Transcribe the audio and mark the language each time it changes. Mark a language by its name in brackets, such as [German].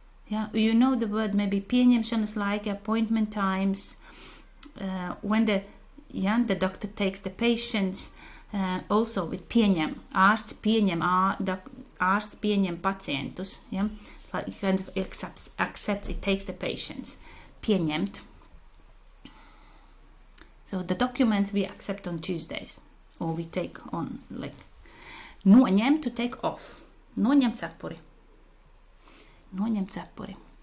[English] Yeah, you know the word maybe pieņemšanas like appointment times, when the yeah the doctor takes the patients, also with pieņem. [Latvian] Ārsts pieņem, ārsts pieņem pacientus, yeah? [English] Like kind of accepts, it takes the patients. [Latvian] Pieņemt. [English] So the documents we accept on Tuesdays or we take on like noņem to take off. [Latvian] Noņem cepuri. Noņem cepuri.